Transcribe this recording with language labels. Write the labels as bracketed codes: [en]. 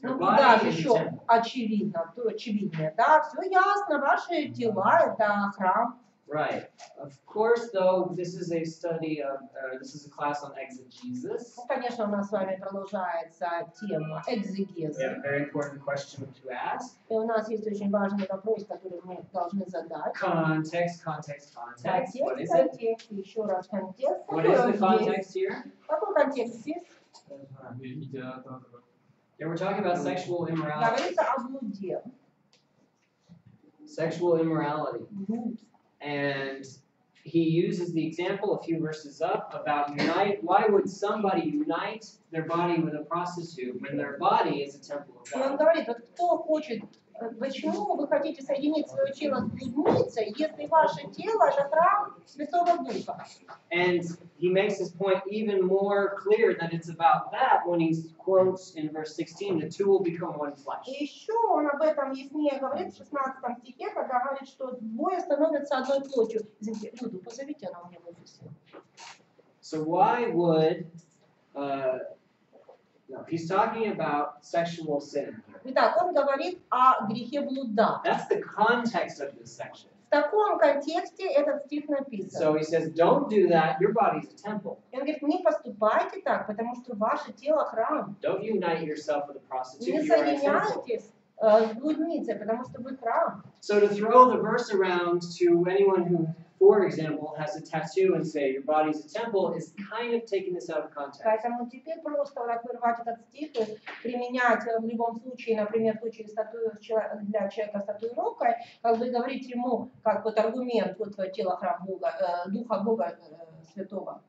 [ru] Ну, куда еще очевидно, то очевиднее, да, все ясно, ваши тела это храм. [en] Right. Of course, though, this is a study of, this is a class on exegesis. [ru] Конечно, у нас с вами продолжается тема экзегеза. [en] We have a very important question to ask. [ru] И у нас есть очень важный вопрос, который мы должны задать. [en] Context. What is it? [ru] Еще раз контекст. [en] What is the context here? [ru] Какой контекст здесь? [en] Yeah, we're talking about sexual immorality. [ru] Говорится о блуде. [en] Sexual immorality. And he uses the example a few verses up about unite. Why would somebody unite their body with a prostitute when their body is a temple of God? [ru] И он говорит, вот кто хочет, почему вы хотите соединить свое тело с блудницей, если ваше тело это храм Святого Духа? [en] And he makes his point even more clear that it's about that when he quotes in verse 16, the two will become one flesh. [ru] И еще он об этом яснее говорит в 16 стихе, когда говорит, что двое становятся одной плотью. Извините, Люду, позовите, она у меня в офисе. [en] So why would He's talking about sexual sin. [ru] Итак, он говорит о грехе блуда. [en] That's the context of this section. [ru] В таком контексте этот стих написан. [en] So he says, don't do that. Your body's a temple. [ru] И он говорит, не поступайте так, потому что ваше тело храм. [en] Don't unite yourself with a prostitute. [ru] Не соединяйтесь с блудницей, потому что вы храм. [en] So to throw the verse around to anyone who, for example, has a tattoo and say your body's a temple is kind of taking this out of context. [ru] Поэтому теперь просто вырвать этот стих и применять в любом случае, например, в случае для человека с татуировкой, как бы говорить ему как вот аргумент вот твое тело храм Бога, духа Бога святого.